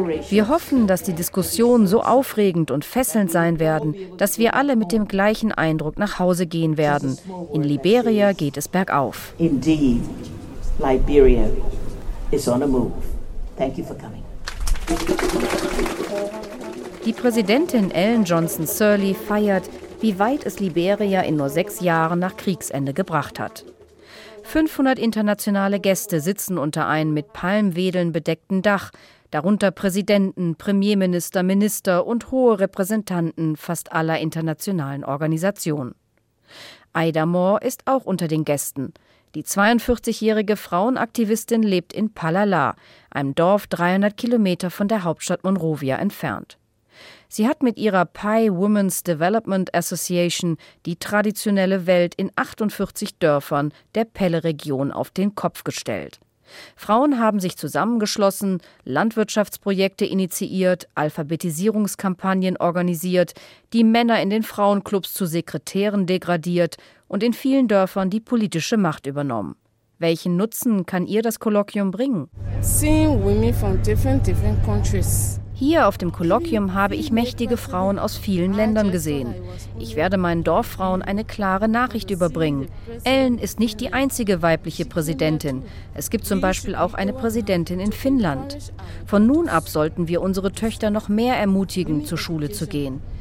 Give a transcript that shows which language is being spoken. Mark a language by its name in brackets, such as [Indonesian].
[German] Wir hoffen, dass die Diskussionen so aufregend und fesselnd sein werden, dass wir alle mit dem gleichen Eindruck nach Hause gehen werden. In Liberia geht es bergauf. [English] Indeed, Liberia is on a move. Thank you for coming. [German] Die Präsidentin Ellen Johnson Sirleaf feiert, wie weit es Liberia in nur 6 Jahren nach Kriegsende gebracht hat. 500 internationale Gäste sitzen unter einem mit Palmwedeln bedeckten Dach, darunter Präsidenten, Premierminister, Minister und hohe Repräsentanten fast aller internationalen Organisationen. Ida Moore ist auch unter den Gästen. Die 42-jährige Frauenaktivistin lebt in Palala, einem Dorf 300 Kilometer von der Hauptstadt Monrovia entfernt. Sie hat mit ihrer Pi Women's Development Association die traditionelle Welt in 48 Dörfern der Pelle-Region auf den Kopf gestellt. Frauen haben sich zusammengeschlossen, Landwirtschaftsprojekte initiiert, Alphabetisierungskampagnen organisiert, die Männer in den Frauenclubs zu Sekretären degradiert und in vielen Dörfern die politische Macht übernommen. Welchen Nutzen kann ihr das Kolloquium bringen? [English] Seeing women from different countries. [German] Hier auf dem Kolloquium habe ich mächtige Frauen aus vielen Ländern gesehen. Ich werde meinen Dorffrauen eine klare Nachricht überbringen. Ellen ist nicht die einzige weibliche Präsidentin. Es gibt zum Beispiel auch eine Präsidentin in Finnland. Von nun ab sollten wir unsere Töchter noch mehr ermutigen, zur Schule zu gehen.